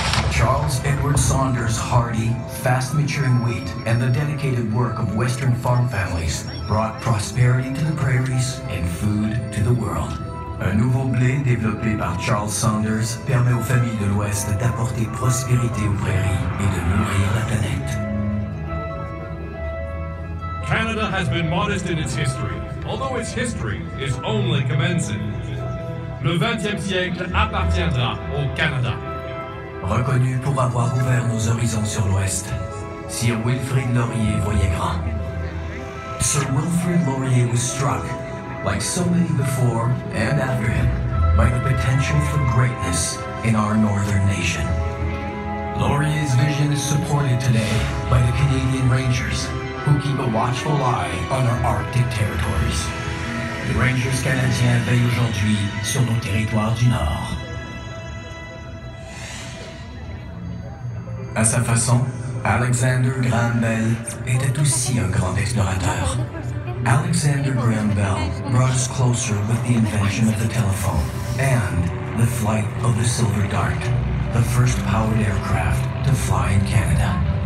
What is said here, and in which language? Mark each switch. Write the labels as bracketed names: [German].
[English] Charles Edward Saunders' hardy, fast-maturing wheat and the dedicated work of Western farm families brought prosperity to the prairies and food to the world. [French] Un nouveau blé développé par Charles Saunders permet aux familles de l'Ouest d'apporter prospérité aux prairies et de nourrir la planète. [English] Canada has been modest in its history, although its history is only commencing. [French] Le 20e siècle appartiendra au Canada. Reconnu pour avoir ouvert nos horizons sur l'Ouest, Sir Wilfrid Laurier voyait grand. [English] Sir Wilfrid Laurier was struck, like so many before and after him, by the potential for greatness in our northern nation. Laurier's vision is supported today by the Canadian Rangers, who keep a watchful eye on our Arctic territories. [French] The Rangers canadiens veillent aujourd'hui sur nos territoires du Nord. À sa façon, Alexander Graham Bell était aussi un grand explorateur. [English] Alexander Graham Bell brought us closer with the invention of the telephone and the flight of the Silver Dart, the first powered aircraft to fly in Canada.